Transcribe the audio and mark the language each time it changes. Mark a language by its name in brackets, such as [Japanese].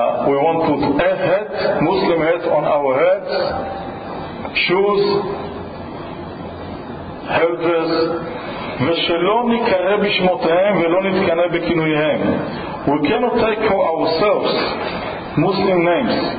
[English] We won't put a hat, Muslim hat, on our heads. Shoes, helpers. [Hebrew] ושלא נקרא בשמותיהם ולא נתקנא בכינוייהם. [English] We cannot take for ourselves Muslim names.